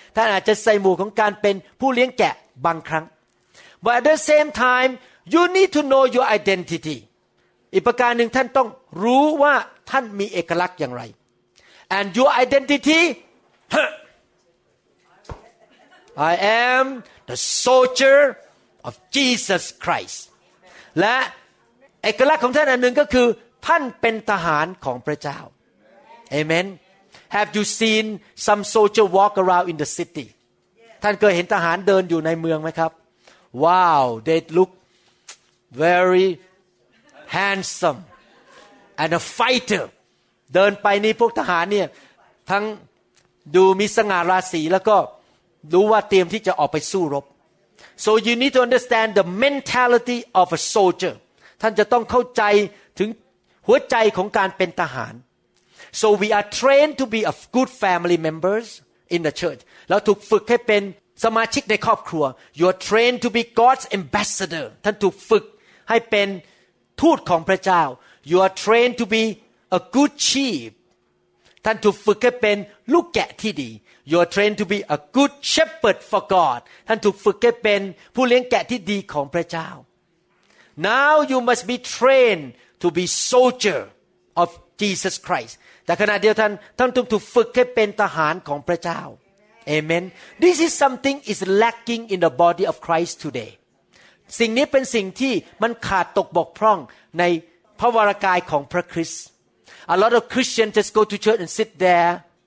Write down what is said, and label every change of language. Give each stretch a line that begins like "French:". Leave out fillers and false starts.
Thai: ท่านอาจจะใส่หมวกของการเป็นผู้เลี้ยงแกะบางครั้ง
English: But at the same time, you need to know your identity.
Thai: อีกประการหนึ่งท่านต้องรู้ว่าท่านมีเอกลักษณ์อย่างไร
English: And your identity, I am the soldier of Jesus Christ.
Thai: และเอกลักษณ์ของท่านอันหนึ่งก็คือท่านเป็นทหารของพระเจ้าAmen.
English: Have you seen some soldier walk around in the city?
Thai: ท่านเคยเห็นทหารเดินอยู่ในเมืองไหมครับ
English: Wow, they look very handsome and a fighter.
Thai: เดินไปนี่พวกทหารเนี่ยทั้งดูมีสง่าราศีแล้วก็รู้ว่าเตรียมที่จะออกไปสู้รบ
English: So you need to understand the mentality of a soldier
Thai: ท่านจะต้องเข้าใจถึงหัวใจของการเป็นทหาร
English: So we are trained to be of good family members in the church
Thai: เราถูกฝึกให้เป็นสมาชิกในครอบครัว
English: You are trained to be God's ambassador
Thai: ท่านถูกฝึกให้เป็นทูตของพระเจ้า
English: You are trained to be a good sheep
Thai: ท่านถูกฝึกให้เป็นลูกแกะที่ดี
English: You are trained to be a good shepherd for God
Thai: ท่านถูกฝึกให้เป็นผู้เลี้ยงแกะที่ดีของพระเจ้า
English: Now you must be trained to be soldier of Jesus Christ
Thai: แต่ขณะเดียวท่านถูกฝึกให้เป็นทหารของพระเจ้า
English: Amen This is something is lacking in the body of Christ today
Thai: สิ่งนี้เป็นสิ่งที่มันขาดตกบกพร่องในพระวรกายของพระคริสต์
English: A lot of Christians just go to church and sit there.